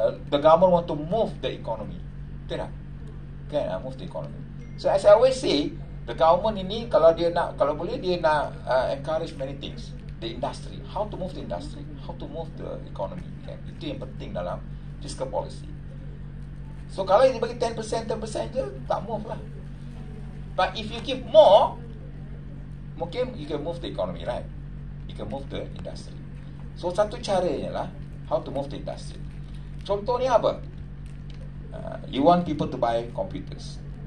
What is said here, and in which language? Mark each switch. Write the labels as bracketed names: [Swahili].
[English] The government want to move the economy, [Malay] betul tak? Kan? [English] Move the economy. So as I always say, the government [Malay] ini kalau boleh dia nak [English] encourage many things. The industry, how to move the industry, how to move the economy, [Malay] kan? Itu yang penting dalam fiscal policy. So kalau dia bagi 10% je, tak move lah. [English] But if you give more, [Malay] mungkin [English] you can move the economy, right? You can move the industry. So [Malay] satu caranya lah, [English] how to move the industry. [Malay] Contohnya apa? [English] You want people to buy computers.